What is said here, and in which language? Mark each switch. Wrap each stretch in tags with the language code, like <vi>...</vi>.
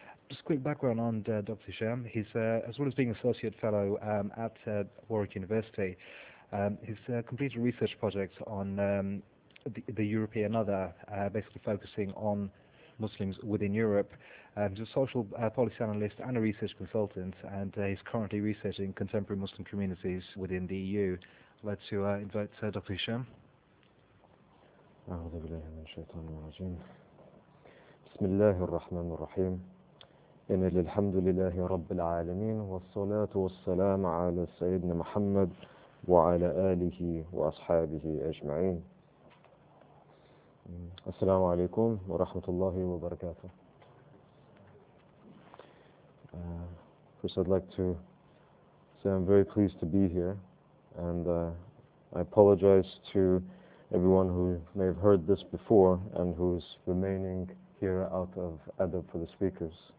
<en>Just a quick background on Dr. Hisham. He's, as well as being associate fellow at Warwick University, he's completed a research project on the European other, basically focusing on Muslims within Europe. He's a social policy analyst and a research consultant, and he's currently researching contemporary Muslim communities within the EU. I'd like to invite Dr. Hisham.</en> <ar>أعوذ بالله من الشيطان الرجيم. بسم الله الرحمن الرحيم. إن الحمد لله رب العالمين والصلاة والسلام على سيدنا محمد وعلى آله وأصحابه أجمعين. السلام عليكم ورحمة الله وبركاته.</ar> <en>First, I'd like to say I'm very pleased to be here, and I apologize to everyone who may have heard this before and who's remaining here out of adab for the speakers.</en>